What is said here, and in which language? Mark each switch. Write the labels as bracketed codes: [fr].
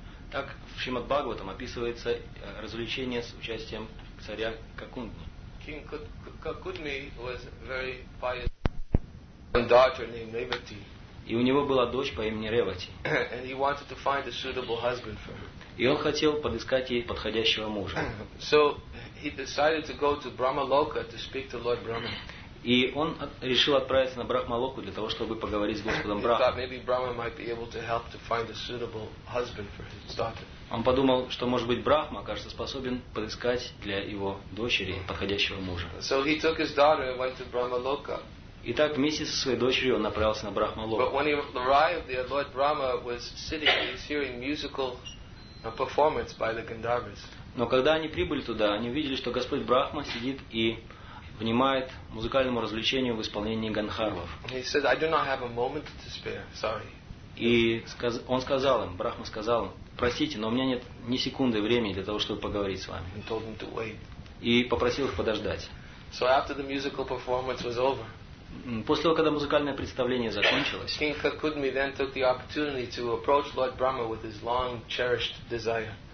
[ru] Так в Шримад-Бхагаватам описывается развлечение с участием царя Какундни. [en] King Kakudni was very pious. One daughter named Revati. [ru] И у него была дочь по имени Ревати. [en] And he wanted to find a suitable husband for her. [ru] И он хотел подыскать ей подходящего мужа. [en] So he decided to go to Brahmaloka to speak to Lord Brahma. [ru] И он решил отправиться на Брахмалоку для того, чтобы поговорить с Господом Брахмой. [en] He thought maybe Brahma might be able to help to find a suitable husband for his daughter. [ru] Он подумал, что, может быть, Брахма окажется способен подыскать для его дочери подходящего мужа. [en] So he took his daughter and went to Brahmaloka. [ru] Итак, вместе со своей дочерью он направился на Брахмалоку. [en] But when he arrived there, Lord Brahma was sitting and he was hearing musical performance by the Gandharvas. [ru] Но когда они прибыли туда, они увидели, что Господь Брахма сидит и внимает музыкальному развлечению в исполнении Гандхарвов. [en] He said, I do not have a moment to spare. Sorry. [ru] И он сказал им, Брахма сказал им, простите, но у меня нет ни секунды времени для того, чтобы поговорить с вами. И попросил их подождать. [en] So after the musical performance was over, [ru] после того, когда музыкальное представление закончилось, [en] King Kakudmi then took the opportunity to approach Lord Brahma with his long cherished desire.